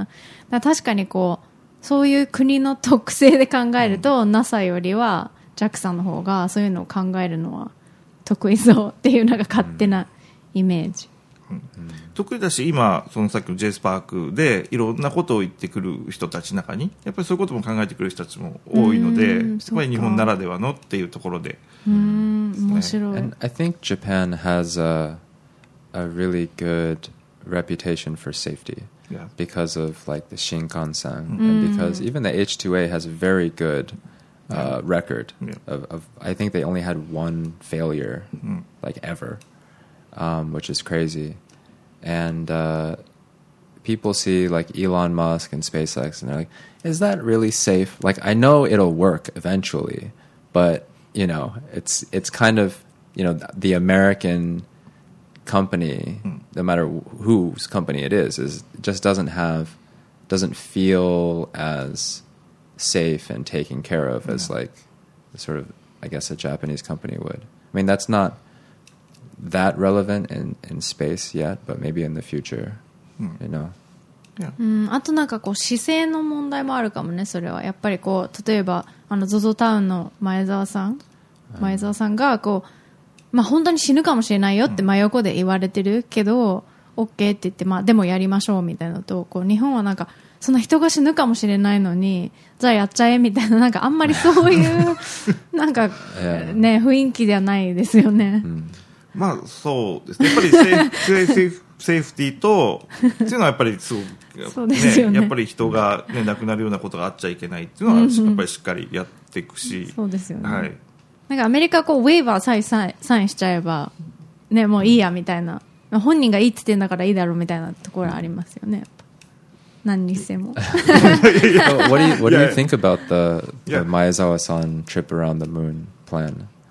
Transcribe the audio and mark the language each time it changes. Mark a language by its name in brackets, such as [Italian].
[Japanese] だから確かにこう、そういう国の特性で考えると、うん、NASA よりは JAXA の方がそういうのを考えるのは得意そうっていうのが勝手なイメージ、うん、得意だし、今そのさっきの J スパークでいろんなことを言ってくる人たち中にやっぱりそういうことも考えてくる人たちも多いので、やっぱり日本ならではのっていうところで、うん、面白い。 [English] And I think Japan has a really good reputation for safety Yeah. Because of like the Shinkansen、mm. and because even the H2A has a very good、record、 yeah. of I think they only had one failure、mm. like ever、which is crazy. And、people see like Elon Musk and SpaceX and they're like, is that really safe? Like, I know it'll work eventually, but you know, it's kind of, you know, the American company、mm. No matter whose company it is just doesn't feel as safe and taken care of、yeah. as like sort of, I guess, a Japanese company would. I mean, that's not that relevant in space yet, but maybe in the future,、mm. you know. Yeah. [Japanese] あとなんかこう姿勢の問題もあるかもね、それは。やっぱりこう、例えばZOZO Townの前澤さんがこう、まあ、本当に死ぬかもしれないよって真横で言われてるけど、うん、OK って言って、まあ、でもやりましょうみたいなと、こう日本はなんかそんな人が死ぬかもしれないのに、じゃあやっちゃえみたいな、なんかあんまりそういうなんか、ね、雰囲気ではないですよね、うん、まあそうですね、やっぱりセーフティーとっていうのはやっぱりすごく、ね、そうですよね、やっぱり人が、ね、亡くなるようなことがあっちゃいけないっていうのはやっぱりしっかりやっていくし、そうですよね、はい、なんかアメリカはこうウェーバーサインしちゃえば、ね、もういいやみたいな、うん、本人がいいって言ってんだからいいだろうみたいなところありますよね、やっぱ何にしても。 [English] What do you think about the Maezawa-san trip around the moon plan?